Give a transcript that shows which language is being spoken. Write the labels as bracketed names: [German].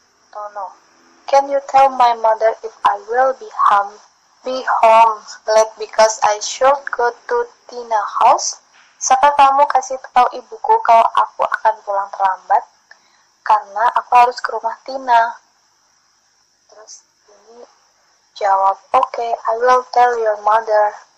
[English] Tono, can you tell my mother if I will be home late because I should go to Tina house? [Indonesian] Bisakah kamu kasih tahu ibuku kalau aku akan pulang terlambat? Karena aku harus ke rumah Tina. Terus Tini jawab, [English] okay, I will tell your mother.